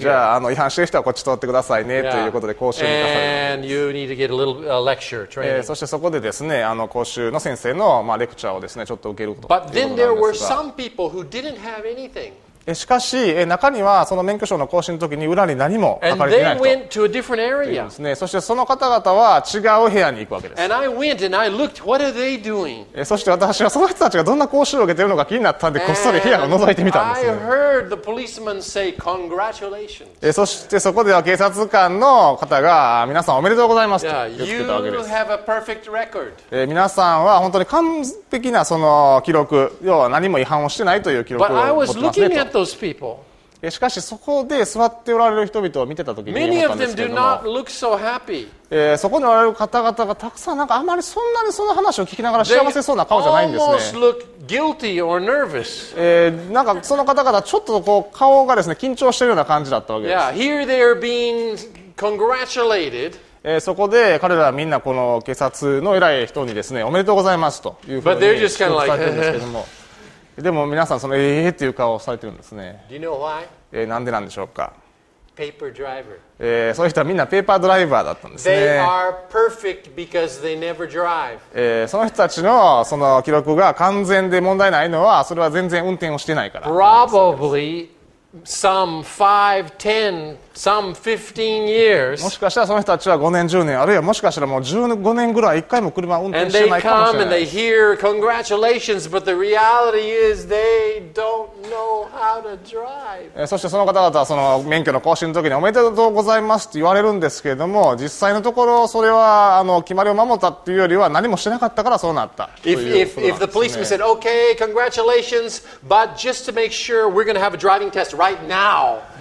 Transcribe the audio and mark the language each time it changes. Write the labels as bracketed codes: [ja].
[ja] じゃ あ, あの違反してる人はこっち通ってくださいね、yeah. ということで講習に行かされます。 [en] And you need to get a little, a lecture, training. [ja] そしてそこでですね、あの講習の先生の、まあ、レクチャーをですね、ちょっと受けること。 [en] But then there were some people who didn't have anything. [ja] しかし中にはその免許証の更新の時に裏に何も書かれていない人っていうんですね。そしてその方々は違う部屋に行くわけです。 [en] And I went and I looked, what are they doing? [ja] そして私はその人たちがどんな講習を受けているのか気になったんでこっそり部屋を覗いてみたんですね。 [en] And I heard the policeman say, congratulations. [ja] そしてそこでは警察官の方が皆さんおめでとうございますと言ってたわけです。 [en] You have a perfect record. [ja] 皆さんは本当に完璧なその記録、要は何も違反をしてないという記録を持ってますねと。 [en] Those people. [ja] しかしそこで座っておられる人々を見てた時に思ったんですけども、 [en] Many of them do not look so happy. [ja] そこにおられる方々がたくさ ん, なんかあまりそんなにその話を聞きながら幸せそうな顔じゃないんですね。 [en] They almost look guilty or nervous. [ja] なんかその方々ちょっとこう顔がですね緊張してるような感じだったわけです。 [en] Yeah, here they are being congratulated. [ja] そこで彼らはみんなこの警察の偉い人にですねおめでとうございますというふうに伝えてるんですけども、でも皆さんそのっていう顔をされてるんですね。 [en] Do you know why? [ja] なんでなんでしょうか。 [en] Paper driver. [ja] そういう人はみんなペーパードライバーだったんですね。 [en] They are perfect because they never drive. [ja] その人たちのその記録が完全で問題ないのはそれは全然運転をしてないから。 [en] Probably some 5, 10, some 15 years. [ja] もしかしたらその人たちは5年、10年、あるいはもしかしたらもう15年ぐらい一回も車を運転してないかもしれない。 [en] congratulations, but the reality is they don't know how to drive. [ja] そしてその方々はその免許の更新の時におめでとうございますと言われるんですけれども、実際のところそれはあの決まりを守ったというよりは何もしなかったからそうなったということなんですね。 [en] If the policeman said, okay, congratulations, but just to make sure we're going to have a driving test right now.